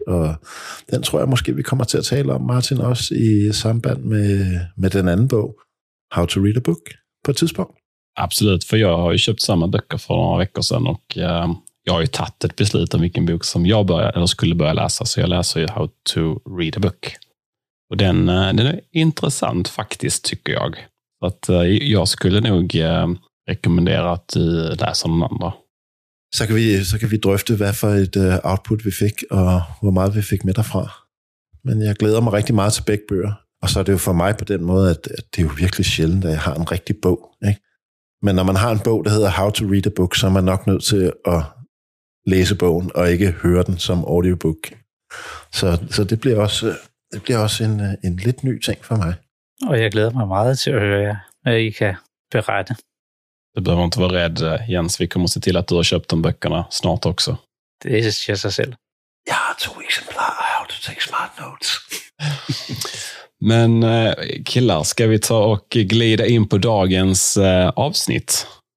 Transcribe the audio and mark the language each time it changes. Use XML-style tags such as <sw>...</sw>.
<da>Og den tror jeg måske, vi kommer til at tale om, Martin, også i samband med den anden bog, How to Read a Book, på et tidspunkt. Absolut, for jeg har jo købt samme bøger for nogle</da> <sv>veckor sedan,</sv> <da>og jeg har jo taget et beslut om hvilken bok, som jeg skulle börja læse. Så jeg læser jo How to Read a Book. Og den er interessant faktisk,</da> <sv>tycker jeg. Så att jag skulle nog rekommenderar att läsa den andra.</sv> <da>Så kan vi drøfte, hvad for et output vi fik, og hvor meget vi fik med derfra. Men jeg glæder mig rigtig meget til begge bøger. Og så er det jo for mig på den måde, at det er jo virkelig sjældent, at jeg har en rigtig bog. Ikke? Men når man har en bog, der hedder How to Read a Book, så er man nok nødt til at læse bogen, og ikke høre den som audiobook. Så det bliver også, en lidt ny ting for mig. Og jeg glæder mig meget til at høre jer, hvad I kan berette.</da> <sv>Du behöver inte vara rädd, Jens. Vi kommer se till att du har köpt de böckerna snart också. Det är just sig själv. Jag har 2 exemplar av How to Take Smart Notes. Men killar, ska vi ta och glida in på dagens avsnitt?</sv>